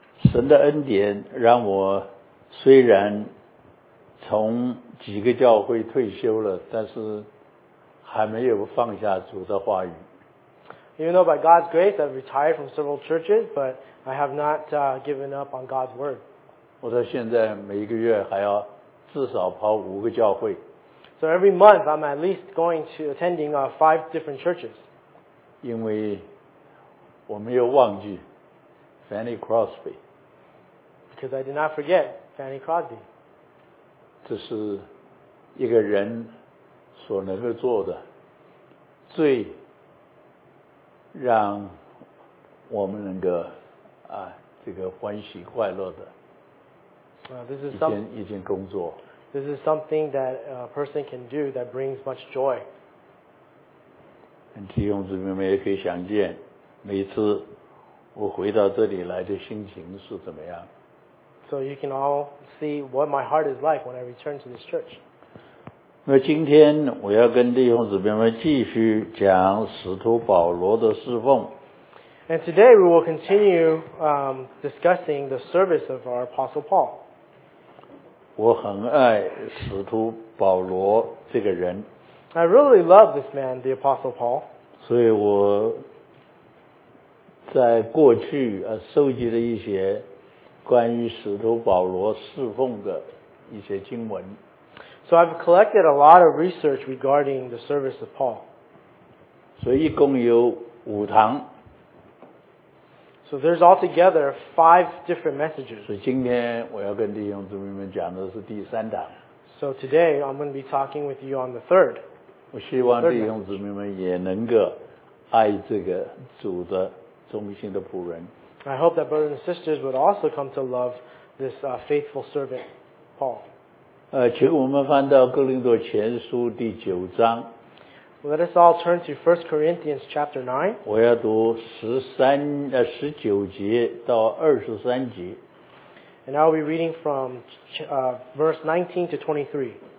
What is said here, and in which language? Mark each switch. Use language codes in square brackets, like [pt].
[zh] 神的恩典让我虽然从几个教会退休了，但是还没有放下主的话语。 [en] Even though by God's grace I've retired from several churches, but I have not given up on God's word. [zh] 我到现在每一个月还要至少跑五个教会。 [en] So every month I'm at least going to attending five different churches. [zh] 因为我没有忘记 Fanny Crosby. [en] Because I did not forget Fanny Crosby. [zh] 这是一个人所能够做的最让我们能够这个欢喜快乐的一件工作。 [en] This is something that a person can do that brings much joy. [zh] 弟兄姊妹们也可以想见，每次我回到这里来的心情是怎么样。 [en] So you can all see what my heart is like when I return to this church. [zh] 那今天我要跟弟兄姊妹们继续讲使徒保罗的侍奉。 [en] And today we will continue discussing the service of our Apostle Paul. [zh] 我很爱使徒保罗这个人。 [en] I really love this man, the Apostle Paul. [zh] 所以我在过去收集了一些关于使徒保罗侍奉的一些经文。 [en] So I've collected a lot of research regarding the service of Paul. [zh] 所以一共有五堂。 [en] So there's altogether five different messages. [zh] 所以今天我要跟弟兄姊妹们讲的是第三堂。 [en] So today I'm going to be talking with you on the third. [zh] 我希望弟兄姊妹们也能够爱这个主的忠心的仆人。 [en] I hope that brothers and sisters would also come to love this faithful servant, Paul. [zh] 请我们翻到哥林多前书第九章。 [en] Let us all turn to 1 Corinthians chapter 9. [zh] 我要读19节到23节。 [en] And I'll be reading from verse 19 to 23.